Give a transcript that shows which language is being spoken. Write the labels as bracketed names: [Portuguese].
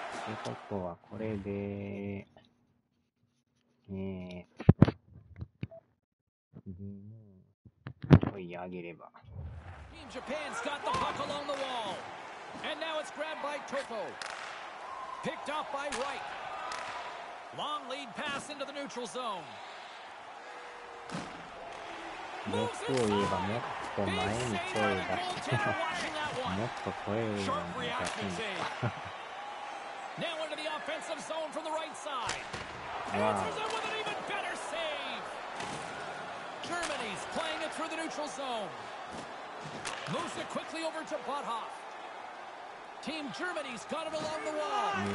[Japanese] ということはこれで、追い上げれば。 [English] Team Japan's got the puck along the wall. And now it's grabbed by Toko. Picked off by Wright. Long lead pass into the neutral zone. [Japanese] もっと言えばもっと前に声を出してもっと声を出して [English] Now into the offensive zone from the right side. Answers it with an even better save. Germany's playing it through the neutral zone. Moves it quickly over to Butthoff. Team Germany's got it along the wall.